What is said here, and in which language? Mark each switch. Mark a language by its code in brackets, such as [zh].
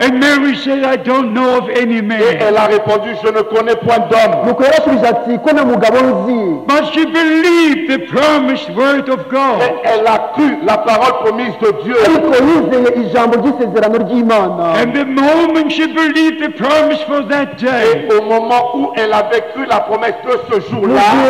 [en] And Mary said, I don't know of any man. [fr] Et elle a répondu, je ne connais point d'homme. [en] But she believed the promised word of God. [fr] Et elle a cru la parole promise de Dieu. Elle connaissait [rw] ijambo ry'isezerano ry'Imana. [en] And the moment she believed the promise for that day. [fr] Et au moment où elle avait cru la promesse de ce jour-là.